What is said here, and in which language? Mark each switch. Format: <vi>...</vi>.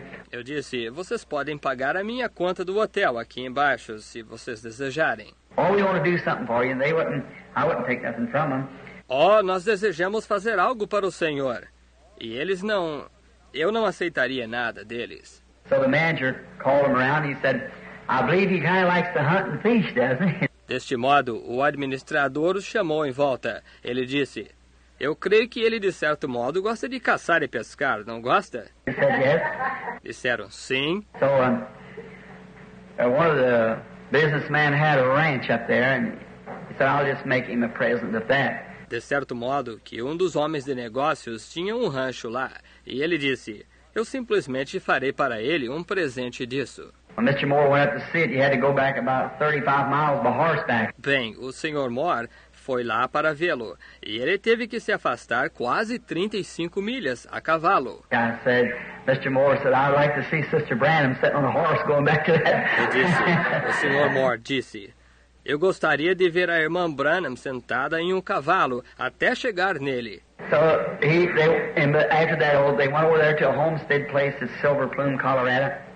<pt>Eu disse, vocês podem pagar a minha conta do hotel aqui embaixo, se vocês desejarem.</pt> <en>Oh, we want to do something for you, and they wouldn't. I wouldn't take nothing from them.</en> <pt>Oh, nós desejamos fazer algo para o Senhor, e eles não. Eu não aceitaria nada deles.</pt> <en>So the manager called him around. He said, "I believe he kind of likes to hunt and fish, doesn't he?"</en> <pt>Deste modo, o administrador os chamou em volta. Ele disse, "Eu creio que ele de certo modo gosta de caçar e pescar, não gosta?"</pt> <en>He said yes.</en> <pt>Disseram sim.</pt> <en>So one of the businessman had a ranch up there, and he said, "I'll just make him a present of that."</en> <pt>De certo modo, que dos homens de negócios tinha rancho lá, e ele disse, "Eu simplesmente farei para ele presente disso."</pt> <en>When Mr. Moore went up to see it, he had to go back about 35 miles by horseback.</en> <pt>Bem, o Sr. Moore foi lá para vê-lo, e ele teve que se afastar quase 35 milhas a cavalo.</pt> <en>I said, Mr. Moore said, "I'd like to see Sister Branham sitting on a horse going back to that."</en> <pt>Disse, o Sr. Moore disse, "Eu gostaria de ver a irmã Branham sentada em cavalo até chegar nele."</pt> <en>So after that, they went over there to a homestead place in Silver Plume, Colorado.</en>